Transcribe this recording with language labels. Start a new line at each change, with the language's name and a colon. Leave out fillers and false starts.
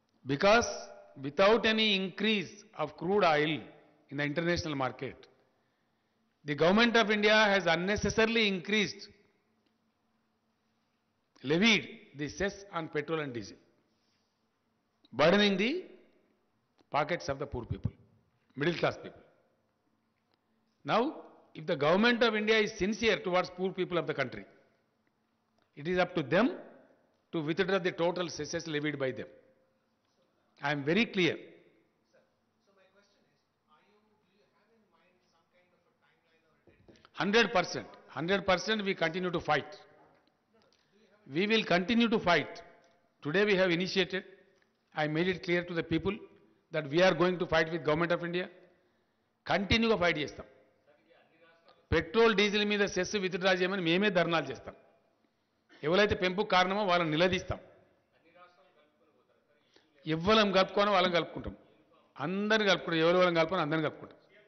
English: Because without any increase of crude oil in the international market, the government of India has unnecessarily increased levied the cess on petrol and diesel, burdening the pockets of the poor people, middle class people. Now if the government of India is sincere towards poor people of the country, it is up to them to withdraw the total cesses levied by them. I am very clear. So my question is, do you have in mind some kind of a timeline or a deadline? 100%. 100% we continue to fight. We will continue to fight. Today we have initiated, I made it clear to the people that we are going to fight with Government of India.
Telugu: కంటిన్యూగా fight చేస్తాం. Petrol diesel మీద cess withdraw చేయమని మేమే ధర్నాలు చేస్తాం. ఎవరైతే పెంపు కారణమో వాళ్ళని నిలదీస్తాం. ఎవ్వరం కలుపుకోనో వాళ్ళని కలుపుకుంటాం. అందరు కలుపుకుంటాం. ఎవరు వాళ్ళని కలుపుకొని అందరిని కలుపుకుంటాం.